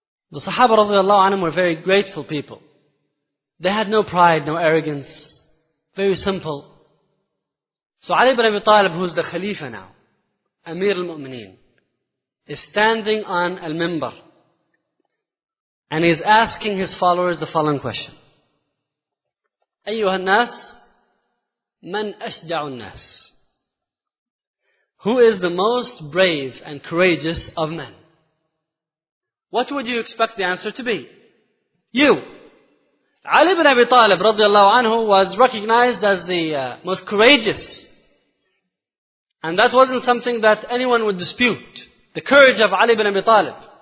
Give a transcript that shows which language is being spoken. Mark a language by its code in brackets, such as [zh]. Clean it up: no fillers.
[en] The Sahaba radiallahu anhum were very grateful people. They had no pride, no arrogance. Very simple. So Ali ibn Abi Talib, who is the Khalifa now, Amir al-Mu'mineen, is standing on al-Mimbar. And he's asking his followers the following question. [ar] أيها الناس من أشجع الناس. [en] Who is the most brave and courageous of men? What would you expect the answer to be? You. Ali ibn Abi Talib radiallahu anhu was recognized as the most courageous. And that wasn't something that anyone would dispute. The courage of Ali ibn Abi Talib.